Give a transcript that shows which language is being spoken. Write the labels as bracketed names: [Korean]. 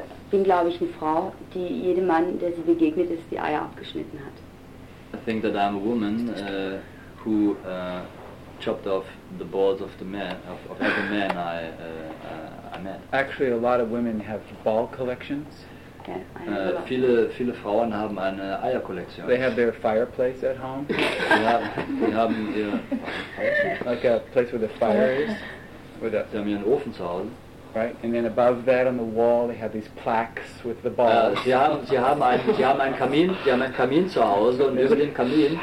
[German] bin, glaube ich, eine Frau, die jedem Mann, der sie begegnet ist, die Eier abgeschnitten hat. [English] I think that I'm a woman who chopped off the balls of the man of every man I met. Actually, a lot of women have ball collections. [German] Viele Frauen haben eine Eierkollektion. [English] They have their fireplace at home. [German] Die haben ihr [English] like a place where the fire is. [German] Die haben ihren Ofen zu Hause. [English] Right, and then above that on the wall they have these plaques with the balls. [German] Sie haben einen Kamin zu Hause und über dem Kamin